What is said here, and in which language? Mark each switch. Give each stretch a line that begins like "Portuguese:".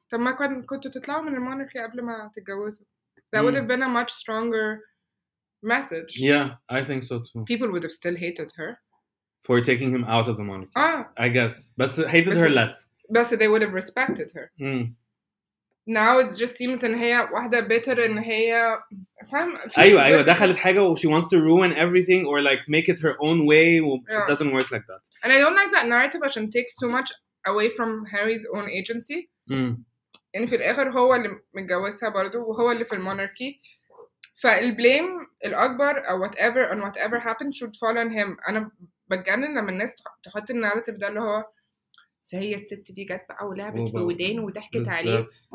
Arabic: طب ما كنت تطلعوا من المونارخي قبل ما تتجوزوا.
English: That would have been a much stronger message. Yeah, I think so too. People would have still hated her. For taking him out of the monarchy. Ah. I guess. But hated her less. But they would have respected her. Now it just seems that she is bitter and she...
Arabic: دخلت حاجة و
English: she wants to ruin everything or like make it her own way. It doesn't work like that. And I don't like that narrative because it takes too much away from Harry's own agency.
Arabic: إن في الآخر هو اللي متجوزها برضو وهو اللي في المونركي فالبليم الأكبر أو
English: whatever and whatever happened should fall on him
Arabic: أنا بتجنن لما الناس تحط النارتيف ده اللي هو بس هي الست دي جت بقى ولعبت في ودانه وضحكت عليه.